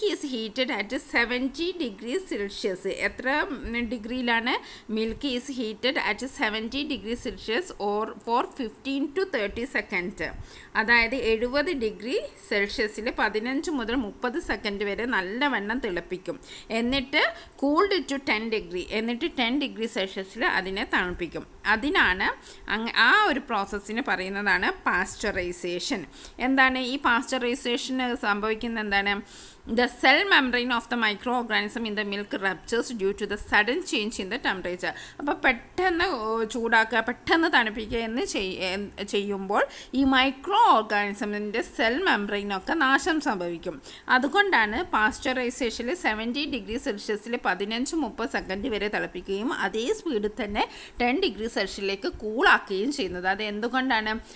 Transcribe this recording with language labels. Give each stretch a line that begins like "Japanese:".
English: milk is heated at 70 degrees Celsius.
Malayalam: എത്ര ഡിഗ്രിയിലാണ്
English: milk is heated at 70 degrees Celsius or for 15 to 30 seconds.
Malayalam: അതായത് 70 degree സെൽഷ്യസിൽ 15 മുതൽ 30 second വരെ നല്ലവണ്ണം തിളപ്പിക്കും. എന്നിട്ട്
English: cooled to 10 degree,
Malayalam: എന്നിട്ട് 10 ഡിഗ്രി സെൽഷ്യസിൽ അതിനെ തണുപ്പിക്കും. അതിനാണ് ആ ഒരു പ്രോസസ്സിന് പറയുന്നതാണ് പാസ്ചറൈസേഷൻ. എന്താണ് ഈ പാസ്ചറൈസേഷന് സംഭവിക്കുന്നത്? എന്താണ്?
English: The cell membrane of the microorganism in the milk ruptures due to the sudden change in the temperature.
Malayalam: അപ്പോൾ പെട്ടെന്ന് ചൂടാക്കുക, പെട്ടെന്ന് തണുപ്പിക്കുക എന്ന് ചെയ്യുമ്പോൾ ഈ മൈക്രോ ഓർഗാനിസമിൻ്റെ സെൽ മെംബ്രെയിനൊക്കെ നാശം സംഭവിക്കും. അതുകൊണ്ടാണ് പാസ്ചറൈസേഷനിൽ 70 ഡിഗ്രി സെൽഷ്യസിൽ 15-30 സെക്കൻഡ് വരെ തിളപ്പിക്കുകയും അതേ സ്പീഡിൽ തന്നെ 10 ഡിഗ്രി സെൽഷ്യസിലേക്ക് കൂളാക്കുകയും ചെയ്യുന്നത്. അത് എന്തുകൊണ്ടാണ്?